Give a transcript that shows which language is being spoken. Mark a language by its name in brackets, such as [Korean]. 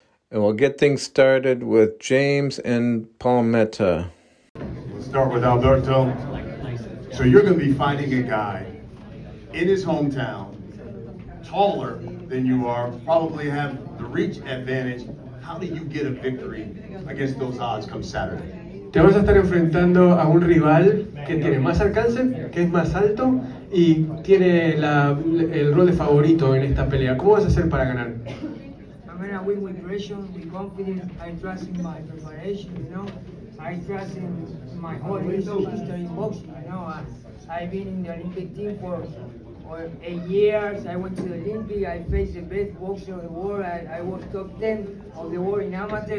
[English] And we'll get things started with James and Palmetta. We'll start with Alberto. So you're going to be fighting a guy in his hometown, taller than you are, probably have the reach advantage. How do you get a victory against those odds come Saturday? [Spanish] Te vas a estar enfrentando a un rival que tiene más alcance, que es más alto y tiene el rol de favorito en esta pelea. ¿Cómo vas a hacer para ganar? [English] I mean, I win with aggression, with confidence. I trust in my preparation, you know. I trust in my whole history in boxing. I know I've been in the Olympic team for 8 years. I went to the Olympic. I faced the best boxer of the world. I was top 10 of the world in amateur.